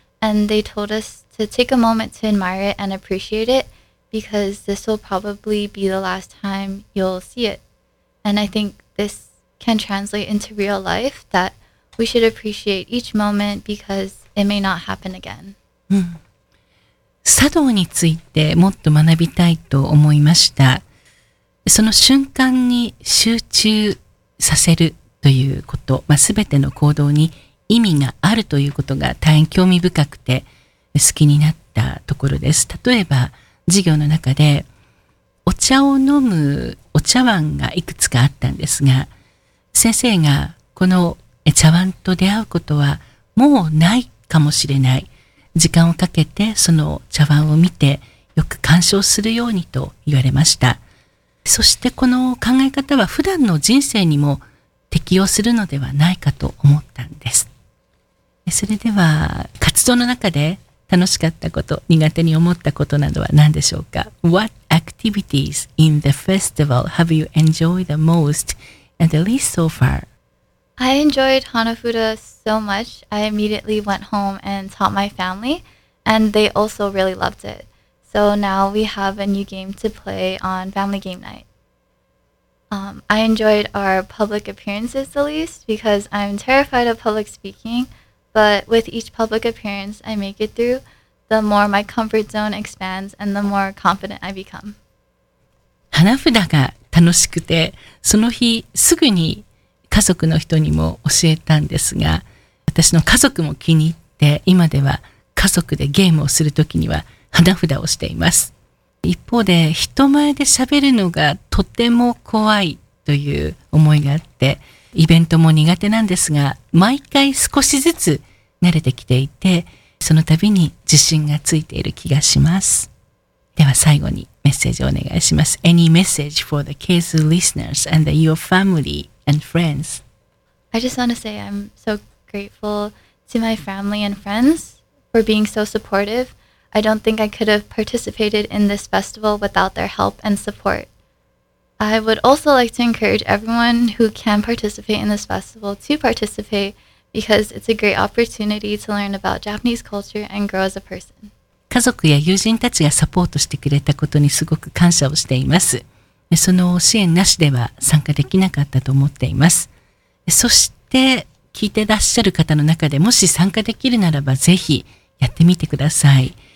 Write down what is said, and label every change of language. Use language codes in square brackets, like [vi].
[en] And they told us to take a moment to admire it and appreciate it because this will probably be the last time you'll see it. And I think this can translate into real life that we should appreciate each moment because it may not happen again. [ja] 茶道についてもっと学びたいと思いました。その瞬間に集中させるということ、まあ、全ての行動に意味があるということが大変興味深くて好きになったところです。例えば授業の中でお茶を飲むお茶碗がいくつかあったんですが、先生がこの茶碗と出会うことはもうないかもしれない。時間をかけてその茶碗を見てよく鑑賞するようにと言われました。そしてこの考え方は普段の人生にも適用するのではないかと思ったんです。それでは活動の中で楽しかったこと、苦手に思ったことなどは何でしょうか? [en] What activities in the festival have you enjoyed the most and the least so far? I enjoyed Hanafuda so much, I immediately went home and taught my family and they also really loved it. So now we have a new game to play on family game night. I enjoyed our public appearances the least because I'm terrified of public speaking, but with each public appearance I make it through, the more my comfort zone expands and the more confident I become. [ja] 花札が楽しくて、その日すぐに家族の人にも教えたんですが、私の家族も気に入って、今では家族でゲームをするときには花札をしています。一方で人前で喋るのがとても怖いという思いがあってイベントも苦手なんですが毎回少しずつ慣れてきていてその度に自信がついている気がしますでは最後にメッセージをお願いします [en] Any message for the Kezu listeners and your family and friends? I just want to say I'm so grateful to my family and friends for being so supportive. I don't think I could have participated in this festival without their help and support. I would also like to encourage everyone who can participate in this festival to participate because it's a great opportunity to learn about Japanese culture and grow as a person. [ja] 家族や友人たちがサポートしてくれたことにすごく感謝をしています。その支援なしでは参加できなかったと思っています。そして聞いてらっしゃる方の中でもし参加できるならばぜひやってみてください。